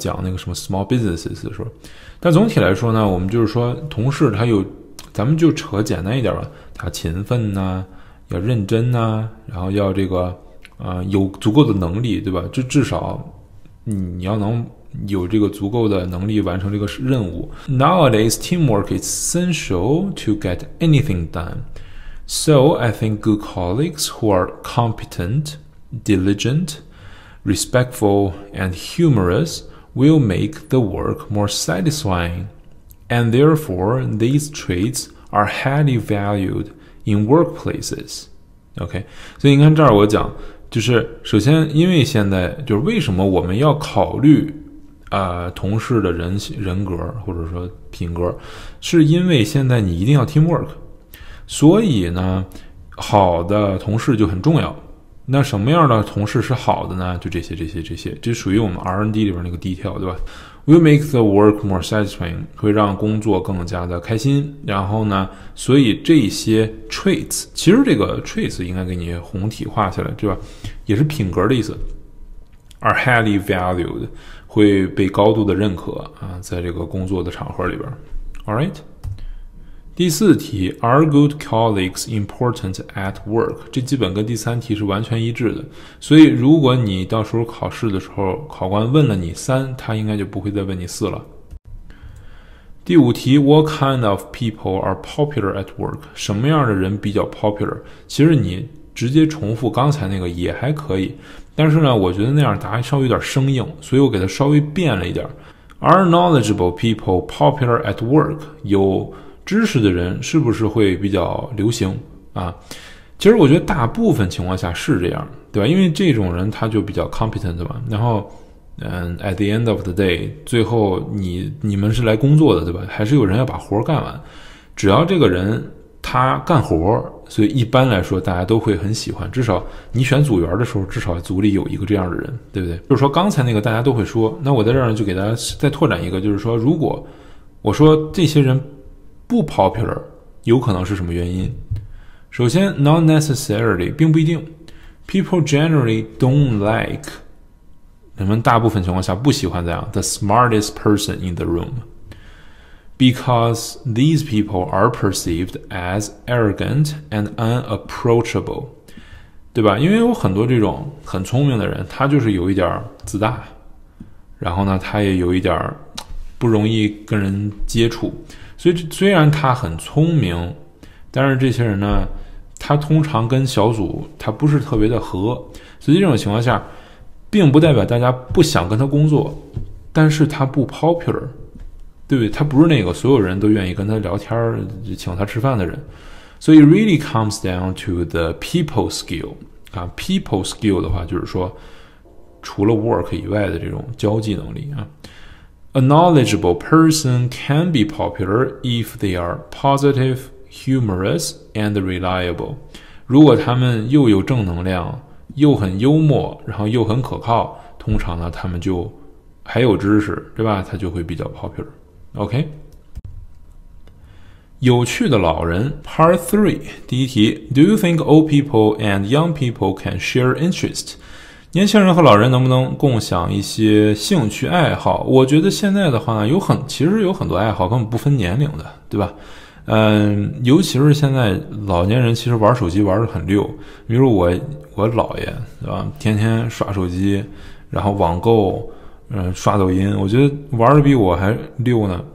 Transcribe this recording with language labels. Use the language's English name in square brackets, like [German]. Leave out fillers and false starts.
[Chinese] 讲那个什么 Small Businesses 的时候，但总体来说呢，我们就是说同事他有。咱们就扯简单一点吧，他勤奋呐，要认真呐，然后要这个，有足够的能力，对吧？就至少你要能有这个足够的能力完成这个任务。 [English] Nowadays, teamwork is essential to get anything done. So I think good colleagues who are competent, diligent, respectful, and humorous will make the work more satisfying. And therefore, these traits are highly valued in workplaces. [Chinese] OK, 所以你看这儿我讲，就是首先因为现在就是为什么我们要考虑同事的人格或者说品格，是因为现在你一定要 teamwork。所以呢，好的同事就很重要。那什么样的同事是好的呢？就这些，这属于我们 R&D 里边那个 detail, 对吧？ [English] Will make the work more satisfying, [Chinese] 会让工作更加的开心。然后呢，所以这些 traits, 其实这个 traits 应该给你红体化下来，对吧？也是品格的意思。 [English] Are highly valued, [Chinese] 会被高度的认可啊，在这个工作的场合里边。Alright? 第四题 [English] ,Are good colleagues important at work? [Chinese] 这基本跟第三题是完全一致的。所以如果你到时候考试的时候考官问了你三，他应该就不会再问你四了。第五题 [English] What kind of people are popular at work? [Chinese] 什么样的人比较 popular? 其实你直接重复刚才那个也还可以，但是呢，我觉得那样答案稍微有点生硬，所以我给它稍微变了一点。 [English] Are knowledgeable people popular at work? [Chinese] 有知识的人是不是会比较流行啊？其实我觉得大部分情况下是这样，对吧？因为这种人他就比较 competent 嘛。然后， [English] at the end of the day， [Chinese] 最后你们是来工作的，对吧？还是有人要把活干完。只要这个人他干活，所以一般来说大家都会很喜欢。至少你选组员的时候，至少组里有一个这样的人，对不对？就是说刚才那个大家都会说，那我在这儿就给大家再拓展一个，就是说如果我说这些人不 popular， 有可能是什么原因？首先 ， [English] not necessarily， [Chinese] 并不一定。 [English] People generally don't like， [Chinese] 人们大部分情况下不喜欢这样 [English] the smartest person in the room， because these people are perceived as arrogant and unapproachable， [Chinese] 对吧？因为有很多这种很聪明的人，他就是有一点自大，然后呢，他也有一点不容易跟人接触。所以虽然他很聪明，但是这些人呢，他通常跟小组他不是特别的合，所以这种情况下并不代表大家不想跟他工作，但是他不 popular， 对不对？他不是那个所有人都愿意跟他聊天请他吃饭的人。所以 [English] really comes down to the people skill、 [Chinese] 啊、people skill 的话就是说除了 work 以外的这种交际能力啊。 [English] A knowledgeable person can be popular if they are positive, humorous, and reliable. [Chinese] 如果他们又有正能量，又很幽默，然后又很可靠，通常呢，他们就还有知识，对吧？他就会比较 popular. OK? 有趣的老人 [English] Part 3, [Chinese] 第一题 [English] Do you think old people and young people can share interest? [Chinese] 年轻人和老人能不能共享一些兴趣爱好？我觉得现在的话呢，其实有很多爱好根本不分年龄的，对吧？尤其是现在老年人其实玩手机玩得很溜，比如我姥爷，对吧？天天刷手机，然后网购，刷抖音，我觉得玩得比我还溜呢。